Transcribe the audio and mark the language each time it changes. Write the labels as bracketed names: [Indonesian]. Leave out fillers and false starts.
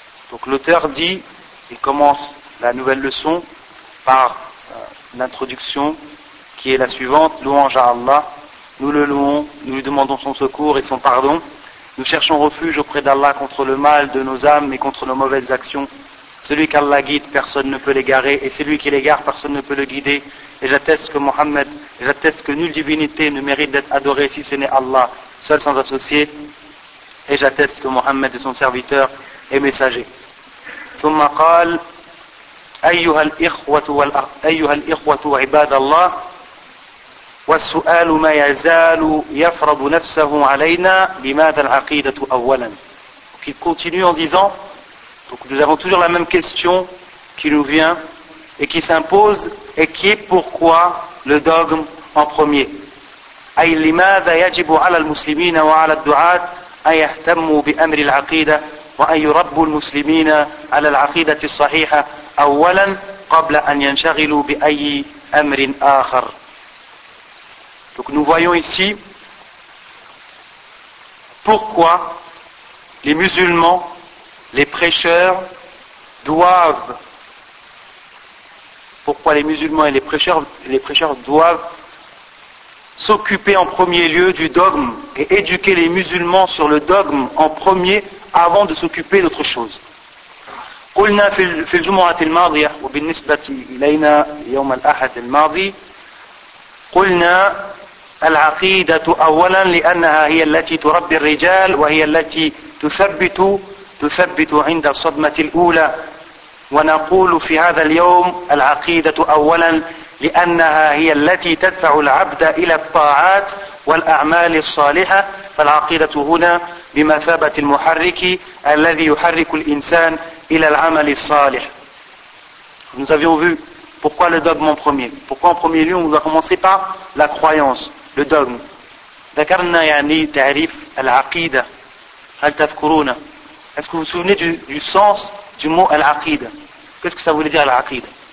[French] Donc l'auteur dit, il commence la nouvelle leçon par l'introduction qui est la suivante: louange à Allah, nous le louons, nous lui demandons son secours et son pardon, nous cherchons refuge auprès d'Allah contre le mal de nos âmes et contre nos mauvaises actions. Celui qu'Allah guide, personne ne peut l'égarer, et celui qui l'égare, personne ne peut le guider. Et j'atteste que nulle divinité ne mérite d'être adorée si ce n'est Allah, seul sans associé. Et j'atteste que Mohammed est son serviteur et messager. [Arabic] ثم قال: أيها الإخوة وعباد الله، والسؤال ما يزال يفرض نفسه علينا، لماذا العقيدة أولا. [French] Il continue en disant, donc nous avons toujours la même question qui nous vient et qui s'impose, et qui est: pourquoi le dogme en premier ? [Arabic] أي لماذا يجب على المسلمين وعلى الدعاة أن يهتموا بأمر العقيدة وأن يربوا المسلمين على العقيدة الصحيحة أولا قبل أن ينشغلوا بأي أمر آخر. [French] Donc nous voyons ici pourquoi les musulmans, les prêcheurs doivent, pourquoi les musulmans et les prêcheurs doivent s'occuper en premier lieu du dogme et éduquer les musulmans sur le dogme en premier avant de s'occuper d'autre chose. [Arabic] قلنا في الجمعة الماضية وبالنسبة إلينا يوم الأحد الماضي قلنا العقيدة أولا لأنها هي التي تربي الرجال وهي التي تثبت عند الصدمة الأولى، ونقول في هذا اليوم العقيدة أولا لأنها هي التي تدفع العبد إلى الطاعات والأعمال الصالحة، فالعقيدة هنا بمثابة المحرك الذي يحرك الإنسان إلى العمل الصالح. [French] Nous avions vu pourquoi le dogme en premier. Pourquoi en premier lieu on va commencer par la croyance, le dogme. [Arabic] ذكرنا يعني تعريف العقيدة، هل تذكرون؟ [French] Est-ce que vous vous souvenez du sens du mot al-aqida? Qu'est-ce que ça voulait dire al-aqida?